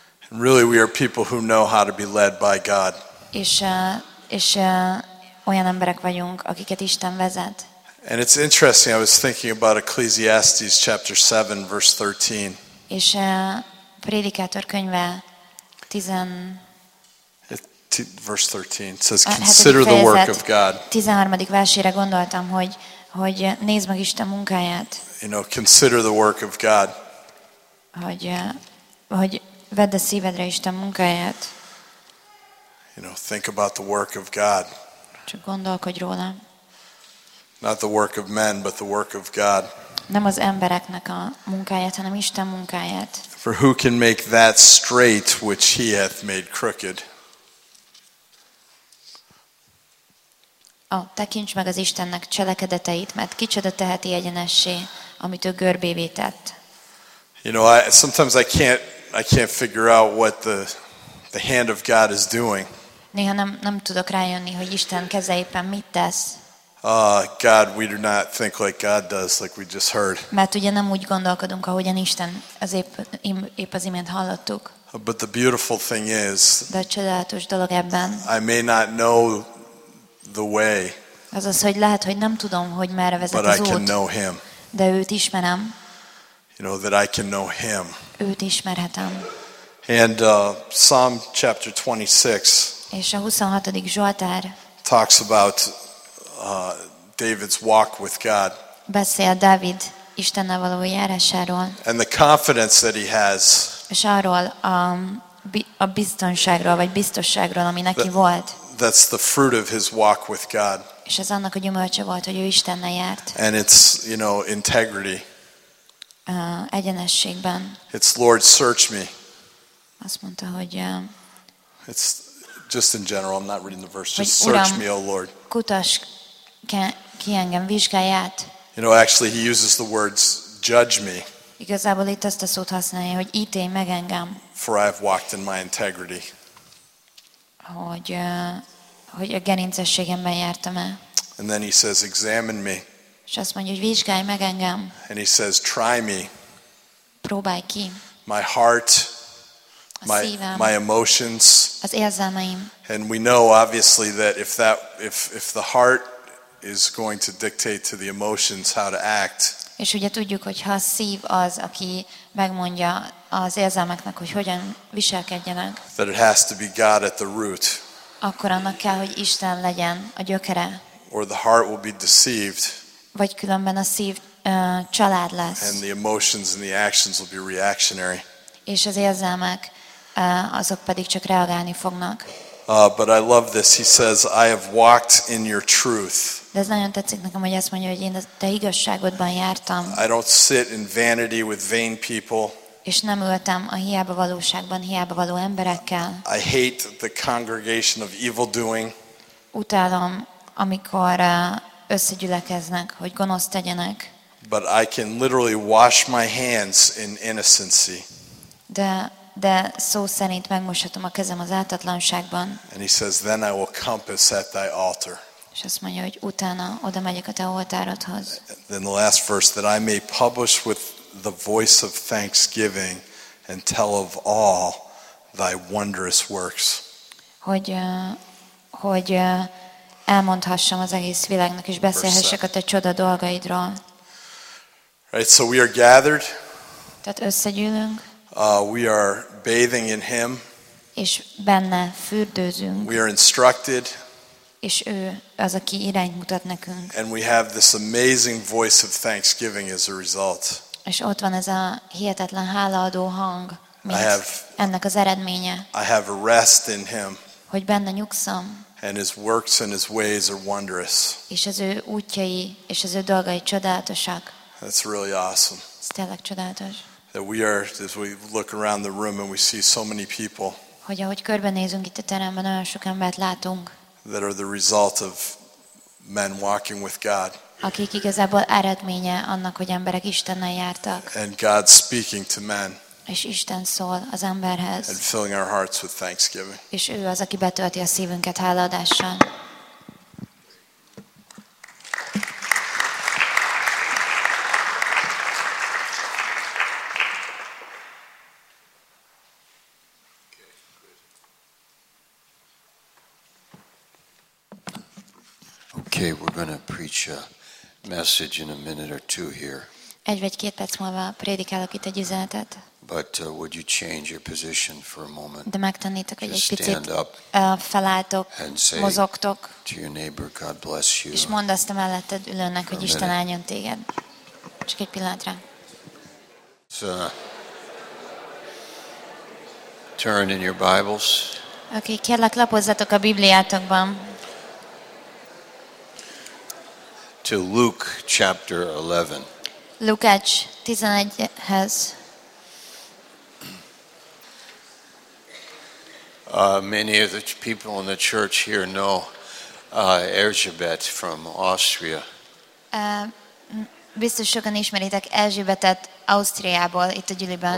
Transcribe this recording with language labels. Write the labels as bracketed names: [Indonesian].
[English] And really we are people who know how to be led by God. [Hungarian] És olyan emberek vagyunk, akiket Isten vezet. [English] And it's interesting, I was thinking about Ecclesiastes chapter 7 verse 13. [Hungarian] És a Prédikátor könyve 10 [English] verse 13 says consider the work of God. [Hungarian] 13. versére gondoltam, hogy nézd meg Isten munkáját. [English] You know, consider the work of God. [Hungarian] Hogy vedd a szívedre Isten munkáját. [English] You know, think about the work of God. [Hungarian] Csak gondolkodj róla. [English] Not the work of men, but the work of God. [Hungarian] Nem az embereknek a munkáját, hanem Isten munkáját. [English] For who can make that straight which he hath made crooked? [Hungarian] Tekints meg az Istennek cselekedeteit, mert kicsoda teheti egyenessé, amit ő görbévé tett. [English] You know, I sometimes can't figure out what the hand of God is doing. [Hungarian] Néha nem tudok rájönni, hogy Isten keze éppen mit tesz. [English] God, we do not think like God does, like we just heard. [Hungarian] Mert ugye nem úgy gondolkodunk, ahogyan Isten az épp az imént hallottuk. [English] But the beautiful thing is, [Hungarian] de a csodálatos dolog ebben, [English] I may not know the way, [Hungarian] azaz, hogy lehet, hogy nem tudom, hogy merre vezet [English] but [Hungarian] az út, [English] I can know him. [Hungarian] De őt ismerem. [English] You know, that I can know him. [Hungarian] Őt ismerhetem. [English] And Psalm chapter 26, [Hungarian] és a 26. Zsoltár [English] talks about David's walk with God. [Hungarian] Beszél Dávid Istennel való járásáról. [English] And the confidence that he has. [Hungarian] És arról a biztonságról vagy biztosságról, ami neki volt. [English] That's the fruit of his walk with God. [Hungarian] És ez annak a gyümölcse volt, hogy ő Istennel járt. [English] And it's, you know, integrity. [Hungarian] Egyenességben. [English] It's Lord, search me. [Hungarian] Azt mondta, hogy [English] it's just in general, I'm not reading the verse. Just search me, O Lord. [Hungarian] Kutass ki engem, vizsgálj át. [English] You know, actually he uses the words judge me. [Hungarian] Igazából itt azt a szót használja, hogy ítélj meg engem. [English] For I have walked in my integrity. [Hungarian] Hogy a gerincességemben jártam el. [English] And then he says examine me. [Hungarian] És azt mondja, hogy vizsgálj meg engem. [English] And he says try me. [Hungarian] Próbálj ki. [English] My heart, my emotions, [Hungarian] az érzelmeim. [English] And we know obviously that if the heart is going to dictate to the emotions how to act. [Hungarian] És ugye tudjuk, hogy ha a szív az, aki megmondja az érzelmeknek, hogy hogyan viselkedjenek. [English] That it has to be God at the root. [Hungarian] Akkor annak kell, hogy Isten legyen a gyökere. [English] Or the heart will be deceived. [Hungarian] Vagy különben a szív család lesz. [English] And the emotions and the actions will be reactionary. [Hungarian] És az érzelmek azok pedig csak reagálni fognak. [English] But I love this. He says, I have walked in your truth. [Hungarian] De ez nagyon tetszik nekem, hogy azt mondja, hogy én a te igazságodban jártam. [English] I don't sit in vanity with vain people. [Hungarian] És nem ültem a hiába valóságban, hiába való emberekkel. [English] I hate the congregation of evil doing. [Hungarian] Utálom, amikor összegyülekeznek, hogy gonosz tegyenek. [English] But I can literally wash my hands in innocency. [Hungarian] De szó szerint megmoshatom a kezem az átatlanságban. [English] And he says, then I will compass at thy altar. [Hungarian] És azt mondja, hogy utána oda megyek a te oltárodhoz. [English] Then the last verse, that I may publish with the voice of thanksgiving and tell of all thy wondrous works. [Hungarian] Hogy elmondhassam az egész világnak, és beszélhessek a te csoda dolgaidról. [English] Right, so we are gathered. [Hungarian] Tehát összegyűlünk. [English] We are bathing in him. [Hungarian] És benne fürdőzünk. [English] We are instructed. [Hungarian] És ő az, aki irányt mutat nekünk. [English] And we have this amazing voice of thanksgiving as a result. [Hungarian] És ott van ez a hihetetlen hálaadó hang, mint ennek az eredménye. [English] I have a rest in him. [Hungarian] Hogy benne nyugszom. [English] And his works and his ways are wondrous. [Hungarian] És az ő útjai és az ő dolgai csodálatosak. [English] That's really awesome. [Hungarian] Ez tényleg csodálatos. [English] That we are, as we look around the room and we see so many people. [Hungarian] Hogy ahogy körbenézünk itt a teremben, olyan sok embert látunk. [English] That are the result of men walking with God. [Hungarian] Akik igazából eredménye annak, hogy emberek Istennel jártak. [English] And God speaking to men. [Hungarian] És Isten szól az emberhez. [English] And filling our hearts with thanksgiving. [Hungarian] És ő az, aki betölti a szívünket hálaadással. [English] Okay, we're going to preach a message in a minute or two here. [Hungarian] Egy vagy két perc múlva prédikálok itt egy üzenetet. [English] But would you change your position for a moment? [Hungarian] De megtennétek, hogy egy picit felálltok, mozogtok. [English] To your neighbor, God bless you. [Hungarian] És mondd azt a melletted ülőnek, hogy Isten áldjon téged. Csak egy pillanatra. [English] So, turn in your Bibles. [Hungarian] Okay, kérlek, lapozzatok a Bibliátokban. [English] To Luke chapter 11. [Hungarian] Lukács 11-hez. [English] Many of the people in the church here know Erzsébet from Austria. [Hungarian] Biztos sokan ismeritek Erzsébetet Ausztriából itt a gyűliben.